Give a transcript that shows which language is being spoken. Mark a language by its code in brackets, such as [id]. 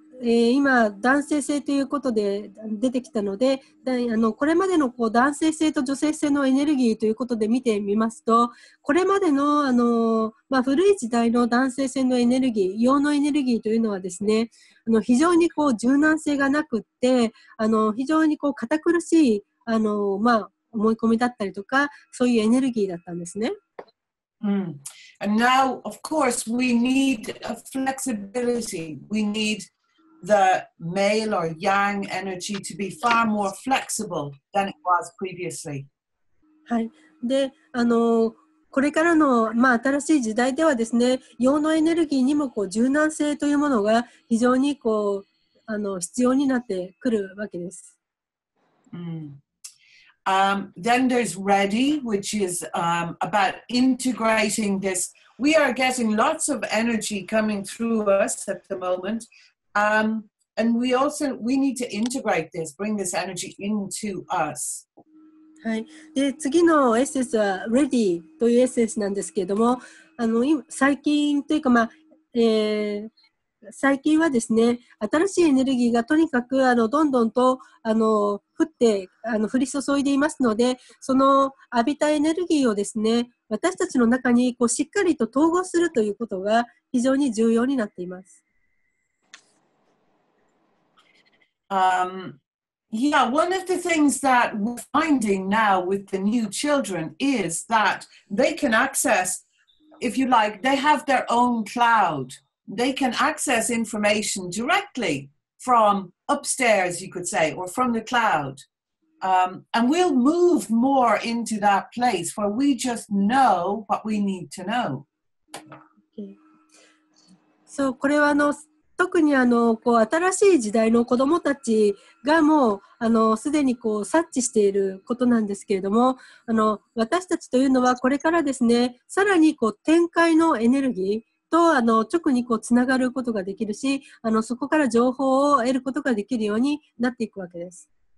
[ja] 今男性性ということで出てきたので、これまでのこう男性性と女性性のエネルギーということで見てみますと、これまでの古い時代の男性性のエネルギー、陽のエネルギーというのはですね、非常にこう柔軟性がなくって、非常にこう堅苦しい思い込みだったりとか、そういうエネルギーだったんですね。 [en] And now, of course, we need a flexibility. We needthe male or yang energy to be far more flexible than it was previously. [ja] はい。で、これからの新しい時代ではですね、陽のエネルギーにもこう柔軟性というものが非常にこう必要になってくるわけです。 [en] Then there's ready, which is about integrating this. We are getting lots of energy coming through us at the moment. And we need to integrate this, bring this energy into us. [ja] はい。で、次のエッセンスは ready というエッセンスなんですけれども、最近というか、最近はですね、新しいエネルギーがとにかくどんどんと降って降り注いでいますので、その浴びたエネルギーをですね、私たちの中にこうしっかりと統合するということが非常に重要になっています。 [en] Yeah, one of the things that we're finding now with the new children is that they can access, if you like, they have their own cloud. They can access information directly from upstairs, you could say, or from the cloud. And we'll move more into that place where we just know what we need to know. Okay. [ja] So, これは特にこう新しい時代の子どもたちがもうすでにこう察知していることなんですけれども、私たちというのはこれからですね、さらにこう展開のエネルギーと直にこうつながることができるし、そこから情報を得ることができるようになっていくわけです。